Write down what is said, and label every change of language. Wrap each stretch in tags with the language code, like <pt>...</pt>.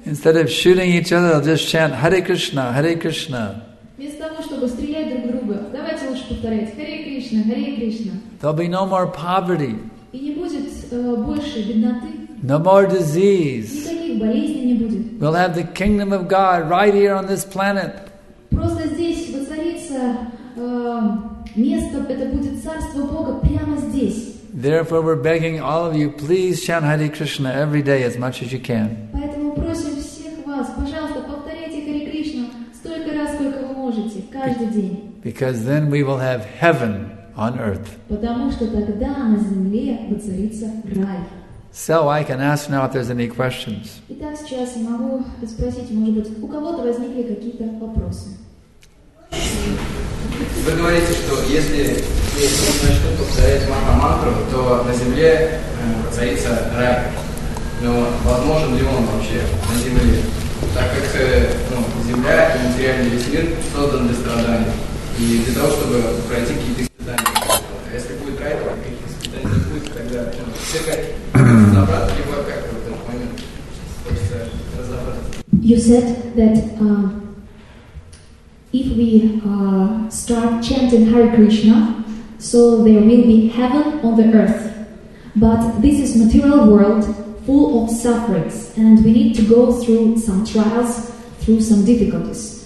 <en>Instead of shooting each other, they'll just chant Hare Krishna, Hare Krishna.</en> <ru>Вместо того, чтобы стрелять друг друга, давайте лучше повторять Hare Krishna, Hare Krishna.</ru> <en>There'll be no more poverty.</en> <ru>И не будет больше бедноты.</ru> <en>No more disease.</en> <ru>Никаких болезней не будет.</ru> <en>We'll have the kingdom of God right here on this planet.</en> <ru>Просто здесь воцарится место, это будет царство Бога прямо здесь.</ru> <en>Therefore, we're begging all of you, please chant Hare Krishna every day as much as you can.</en> <ru>Поэтому просим всех вас, пожалуйста, повторяйте Hare Krishna столько раз, сколько вы можете, каждый день.</ru> <en>Because then we will have heaven on earth.</en> <ru>Потому что тогда на земле воцарится рай.</ru> <en>So I can ask now if there's any questions.</en> <ru>Итак, сейчас я могу спросить, может быть, у кого-то возникли какие-то вопросы? Вы говорите, что если здесь начнут повторять маха-мантру, то на земле воцарится рай. Но возможен ли он вообще на земле? Так как земля и материальный весь мир создан для страданий. И для того, чтобы пройти какие-то испытания. Если будет рай, то какие-то испытания будут, тогда все как разобраться, либо как в этот момент хочется разобраться.</ru> <en>You said that if we start chanting Hare Krishna, so there will be heaven on the earth. But this is material world full of sufferings, and we need to go through some trials, through some difficulties.</en>